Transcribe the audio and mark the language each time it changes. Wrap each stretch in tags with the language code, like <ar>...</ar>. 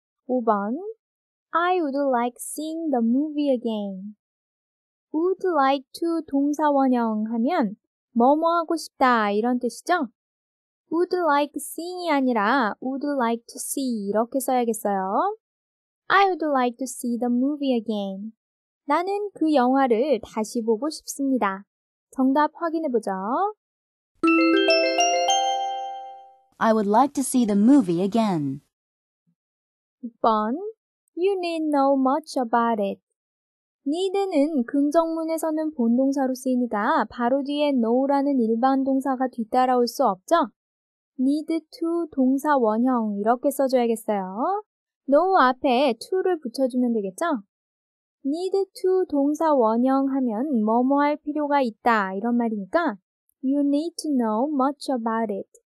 <en>5번. I would like seeing the movie again. Would like to</en> <ko>동사 원형 하면 뭐뭐 하고 싶다 이런 뜻이죠?</ko> <en>Would like seeing</en> <ko>이 아니라</ko> <en>would like to see</en> <ko>이렇게 써야겠어요.</ko> <en>I would like to see the movie again.</en> <ko>나는 그 영화를 다시 보고 싶습니다. 정답 확인해 보죠.</ko> <en>I would like to see the movie again. 6번. You need know much about it.</en> <ko>Need는 긍정문에서는 본동사로 쓰이니까 바로 뒤에 know라는 일반 동사가 뒤따라올 수 없죠?</ko> <en>Need to</en> <ko>동사 원형 이렇게 써줘야겠어요. know 앞에 to를 붙여주면 되겠죠?</ko> <en>Need to</en> <ko>동사 원형 하면 뭐뭐 할 필요가 있다 이런 말이니까</ko> <en>You need to know much about it.</en>